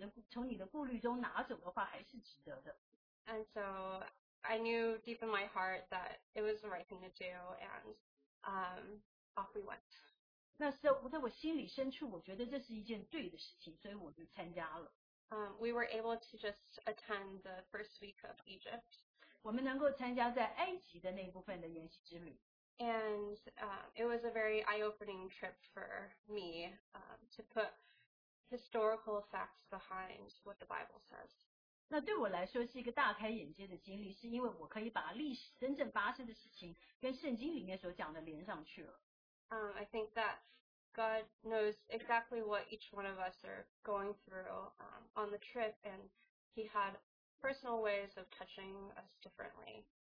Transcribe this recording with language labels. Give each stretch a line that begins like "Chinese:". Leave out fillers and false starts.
Chinese: 那她说，就算是有一件事情，你可以从这旅行中你的顾虑中拿走的话，还是值得的。
English: And so I knew deep in my heart that it was the right thing to do, and off we went.
Chinese: 那时候，在我心里深处，我觉得这是一件对的事情，所以我就参加了。
English: We were able to just attend the first week of Egypt.
Chinese: 我们能够参加在埃及的那部分的研习之旅。
English: And it was a very eye-opening trip for me to put historical facts behind what the Bible says.
Chinese: 那对我来说是一个大开眼界的经历，是因为我可以把历史真正发生的事情跟圣经里面所讲的连上去了。
English: I think that God knows exactly what each one of us are going through on the trip, and He had personal ways of touching us differently.